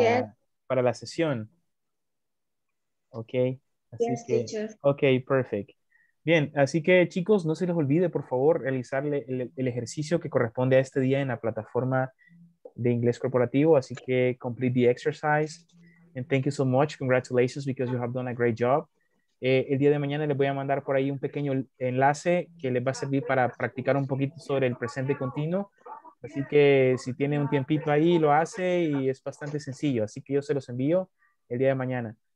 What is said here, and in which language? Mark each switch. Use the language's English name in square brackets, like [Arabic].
[English] yes. [Spanish] Para la sesión. Ok. Así yes, [English] que, ok, perfect. [Spanish] Bien, así que chicos, no se les olvide, por favor, realizarle el ejercicio que corresponde a este día en la plataforma de inglés corporativo. Así que [English] complete the exercise. And thank you so much. Congratulations, because you have done a great job. [Spanish] El día de mañana les voy a mandar por ahí un pequeño enlace que les va a servir para practicar un poquito sobre el presente continuo. Así que si tiene un tiempito ahí, lo hace y es bastante sencillo. Así que yo se los envío el día de mañana.